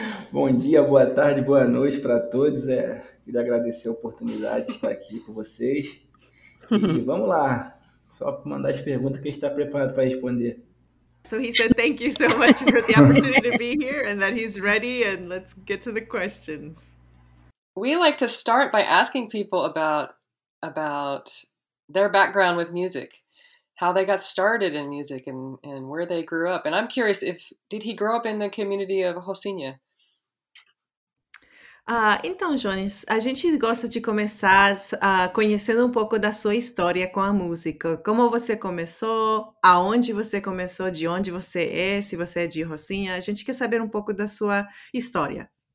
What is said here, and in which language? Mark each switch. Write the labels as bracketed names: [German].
[Portuguese] Bom dia, boa tarde, boa noite para todos. Queria agradecer a oportunidade de estar aqui com vocês. E vamos lá, só para mandar as perguntas que a gente está preparado para responder. [English] So he said, thank you so much for the opportunity to be here and that he's ready. And let's get to the questions. We like to start by asking people about their background with music, how they got started in music and where they grew up. And I'm curious, did he grow up in the community of Rocinha? [Portuguese] Então, Jhones, a gente gosta de começar conhecendo um pouco da sua história com a música. Como você começou, aonde você começou, de onde você é, se você é de Rocinha. A gente quer saber um pouco da sua história.